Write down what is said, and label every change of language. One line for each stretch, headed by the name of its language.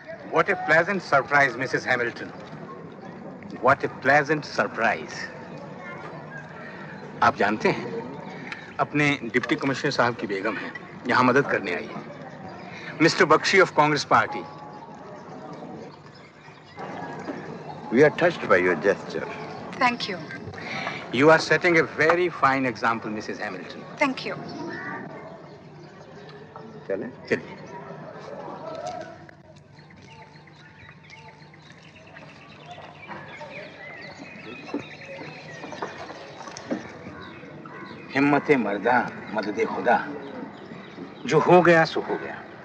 English: What a pleasant surprise, Mrs. Hamilton. What a pleasant surprise.
Hindi: आप जानते हैं अपने डिप्टी कमिश्नर साहब की बेगम है, यहां मदद करने आई है।
English: Mister Bakshi of Congress party. We are touched by your gesture. Thank you. You are setting a very fine example, Mrs. Hamilton. Thank you.
Hindi: चले। हिम्मत मर्दा मदद खुदा, जो हो गया सो हो गया।